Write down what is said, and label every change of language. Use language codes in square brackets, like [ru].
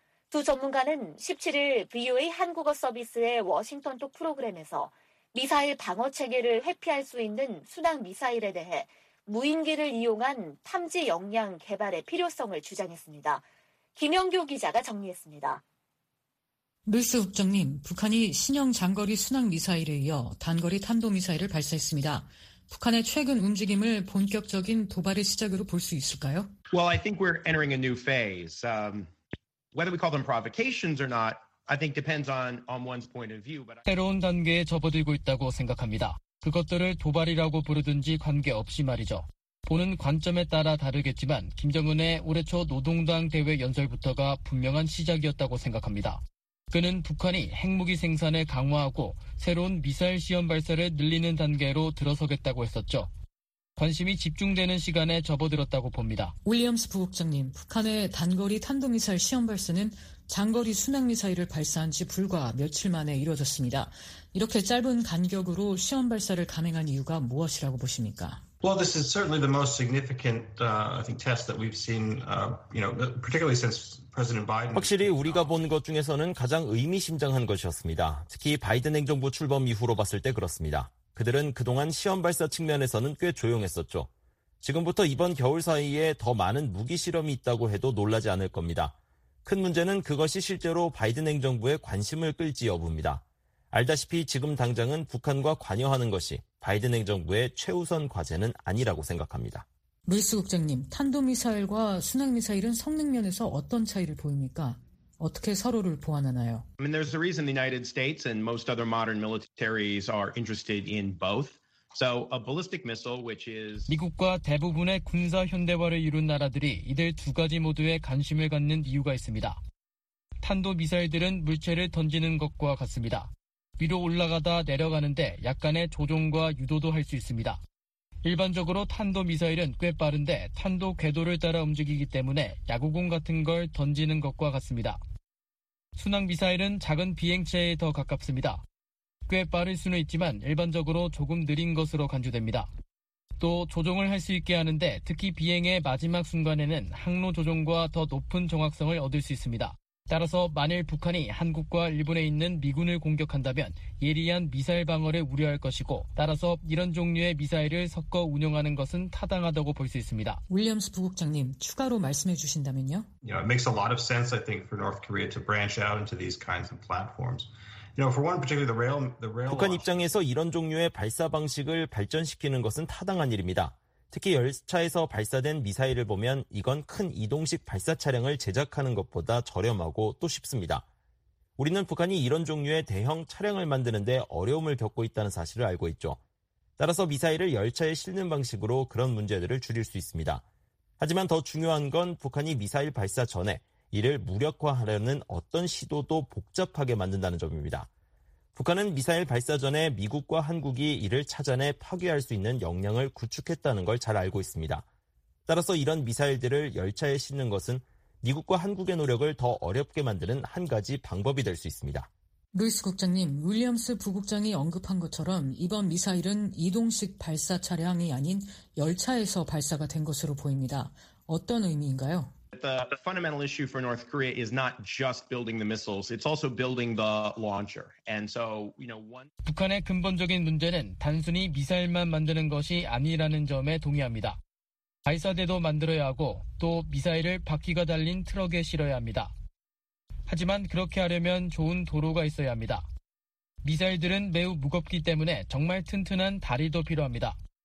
[ko] 두 전문가는 17일 VOA 한국어 서비스의 워싱턴톡 프로그램에서 미사일 방어 체계를 회피할 수 있는 순항 미사일에 대해 무인기를 이용한 탐지 역량 개발의 필요성을 주장했습니다. 김영규 기자가 정리했습니다. 루스 국장님, 북한이 신형 장거리 순항 미사일에 이어 단거리 탄도 미사일을 발사했습니다. 북한의 최근 움직임을 본격적인 도발의 시작으로 볼 수 있을까요? [en] Well, I think we're entering a new phase. Whether we call them provocations or not, I think depends on one's point of view. [ko] 새로운 단계에 접어들고 있다고 생각합니다. 그것들을 도발이라고 부르든지 관계없이 말이죠. 보는 관점에 따라 다르겠지만 김정은의 올해 초 노동당 대회 연설부터가 분명한 시작이었다고 생각합니다. 그는 북한이 핵무기 생산을 강화하고 새로운 미사일 시험 발사를 늘리는 단계로 들어서겠다고 했었죠. 관심이 집중되는 시간에 접어들었다고 봅니다. 윌리엄스 부국장님, 북한의 단거리 탄도미사일 시험 발사는 장거리 순항미사일을 발사한 지 불과 며칠 만에 이루어졌습니다. 이렇게 짧은 간격으로 시험 발사를 감행한 이유가 무엇이라고 보십니까? [en] Well, this is certainly the most significant, I think, test that we've seen, you know, particularly since President Biden. [ko] 확실히 우리가 본 것 중에서는 가장 의미심장한 것이었습니다. 특히 바이든 행정부 출범 이후로 봤을 때 그렇습니다. 그들은 그동안 시험 발사 측면에서는 꽤 조용했었죠. 지금부터 이번 겨울 사이에 더 많은 무기 실험이 있다고 해도 놀라지 않을 겁니다. 큰 문제는 그것이 실제로 바이든 행정부의 관심을 끌지 여부입니다. 알다시피 지금 당장은 북한과 관여하는 것이 바이든 행정부의 최우선 과제는 아니라고 생각합니다. 루이스 국장님, 탄도미사일과 순항미사일은 성능 면에서 어떤 차이를 보입니까? 어떻게 서로를 보완하나요? [en] I mean, there's a reason the United States and most other modern militaries are interested in both. So a ballistic missile, which is [ko] 미국과 대부분의 군사 현대화를 이룬 나라들이 이들 두 가지 모두에 관심을 갖는 이유가 있습니다. 탄도 미사일들은 물체를 던지는 것과 같습니다. 위로 올라가다 내려가는데 약간의 조종과 유도도 할 수 있습니다. 일반적으로 탄도 미사일은 꽤 빠른데 탄도 궤도를 따라 움직이기 때문에 야구공 같은 걸 던지는 것과 같습니다. 순항 미사일은 작은 비행체에 더 가깝습니다. 꽤 빠를 수는 있지만 일반적으로 조금 느린 것으로 간주됩니다. 또 조종을 할 수 있게 하는데 특히 비행의 마지막 순간에는 항로 조종과 더 높은 정확성을 얻을 수 있습니다. 따라서 만일 북한이 한국과 일본에 있는 미군을 공격한다면 예리한 미사일 방어를 우려할 것이고 따라서 이런 종류의 미사일을 섞어 운용하는 것은 타당하다고 볼 수 있습니다. 윌리엄스 부국장님, 추가로 말씀해 주신다면요? [en] Yeah, it makes a lot of sense, I think, for North Korea to branch out into these kinds of platforms. You know, for one, particularly the rail. [ko] 북한 입장에서 이런 종류의 발사 방식을 발전시키는 것은 타당한 일입니다. 특히 열차에서 발사된 미사일을 보면 이건 큰 이동식 발사 차량을 제작하는 것보다 저렴하고 또 쉽습니다. 우리는 북한이 이런 종류의 대형 차량을 만드는데 어려움을 겪고 있다는 사실을 알고 있죠. 따라서 미사일을 열차에 실는 방식으로 그런 문제들을 줄일 수 있습니다. 하지만 더 중요한 건 북한이 미사일 발사 전에 이를 무력화하려는 어떤 시도도 복잡하게 만든다는 점입니다. 북한은 미사일 발사 전에 미국과 한국이 이를 찾아내 파괴할 수 있는 역량을 구축했다는 걸 잘 알고 있습니다. 따라서 이런 미사일들을 열차에 싣는 것은 미국과 한국의 노력을 더 어렵게 만드는 한 가지 방법이 될 수 있습니다. 루이스 국장님, 윌리엄스 부국장이 언급한 것처럼 이번 미사일은 이동식 발사 차량이 아닌 열차에서 발사가 된 것으로 보입니다. 어떤 의미인가요? [en] The fundamental issue for North Korea is not just building the missiles, it's also building the launcher. And so, you know, one [ko] 북한의 근본적인 문제는 단순히 미사일만 만드는 것이 아니라는 점에 동의합니다. 발사대도 만들어야 하고 또 미사일을 바퀴가 달린 트럭에 실어야 합니다. 하지만 그렇게 하려면 좋은 도로가 있어야 합니다. 미사일들은 매우 무겁기 때문에 정말 튼튼한 다리도 필요합니다.